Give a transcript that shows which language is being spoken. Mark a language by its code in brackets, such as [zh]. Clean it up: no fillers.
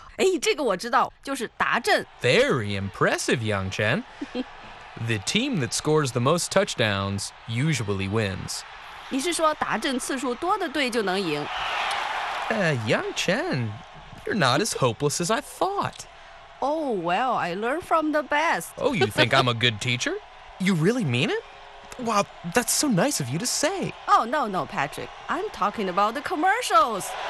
[zh] 哎，这个我知道，就是达阵。 [en] Very impressive, Yang Chen. The team that scores the most touchdowns usually wins. [zh] 你是说达阵次数多的队就能赢？ [en] Yang Chen, you're not as hopeless as I thought. Oh, well, I learned from the best. Oh, you think I'm a good teacher? You really mean it? Wow, that's so nice of you to say. Oh, no, Patrick. I'm talking about the commercials.